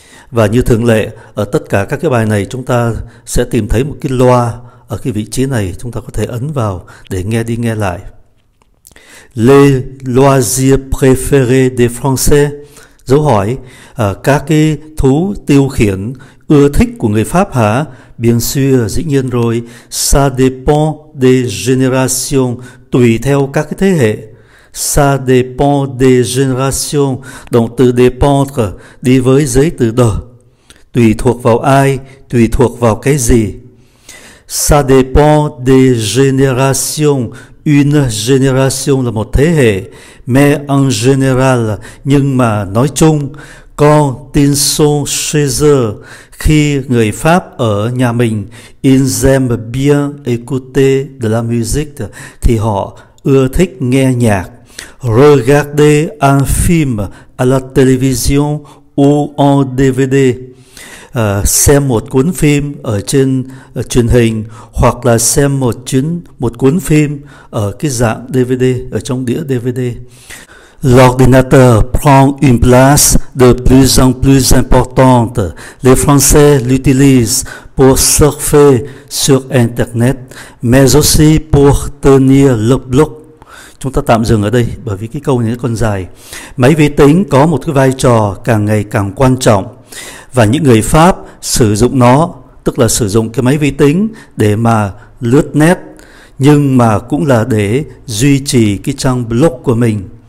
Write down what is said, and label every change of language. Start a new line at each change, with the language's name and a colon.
Vietnamese: Và như thường lệ, ở tất cả các cái bài này chúng ta sẽ tìm thấy một cái loa ở cái vị trí này, chúng ta có thể ấn vào để nghe đi nghe lại.
French: Les loisirs préférés des Français,
Vietnamese: dấu hỏi, các cái thú tiêu khiển ưa thích của người Pháp hả?
French: Bien sûr,
Vietnamese: dĩ nhiên rồi.
French: Ça dépend des générations,
Vietnamese: tùy theo các cái thế hệ.
French: Ça dépend des générations,
Vietnamese: động từ dépendre đi với giấy từ de. Tùy thuộc vào ai, tùy thuộc vào cái gì?
French: Ça dépend des générations. Une génération
Vietnamese: là một thế hệ,
French: mais en général,
Vietnamese: nhưng mà nói chung,
French: quand ils sont chez eux,
Vietnamese: khi người Pháp ở nhà mình,
French: ils aiment bien écouter de la musique,
Vietnamese: thì họ ưa thích nghe nhạc.
French: Regarder un film à la télévision ou en DVD,
Vietnamese: xem một cuốn phim ở trên truyền hình, hoặc là xem một cuốn phim ở cái dạng DVD, ở trong đĩa DVD.
French: L'ordinateur prend une place de plus en plus importante. Les Français l'utilisent pour surfer sur Internet, mais aussi pour tenir le bloc.
Vietnamese: Chúng ta tạm dừng ở đây bởi vì cái câu này còn dài. Máy vi tính có một cái vai trò càng ngày càng quan trọng, và những người Pháp sử dụng nó, tức là sử dụng cái máy vi tính để mà lướt net, nhưng mà cũng là để duy trì cái trang blog của mình.